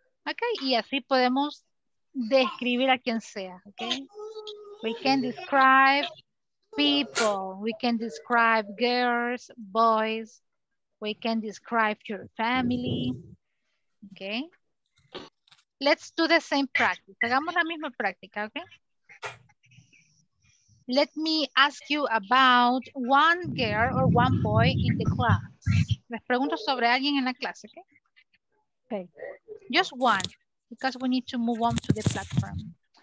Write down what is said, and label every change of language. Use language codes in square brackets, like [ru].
[es] Ok, y así podemos describir a quien sea, okay? [en] We can describe people, we can describe girls, boys, we can describe your family, okay? Let's do the same practice. [es] Hagamos la misma práctica, [en] okay? Let me ask you about one girl or one boy in the class. [es] Les pregunto sobre alguien en la clase, okay? [en] Okay. Just one. Because we need to move on to the platform.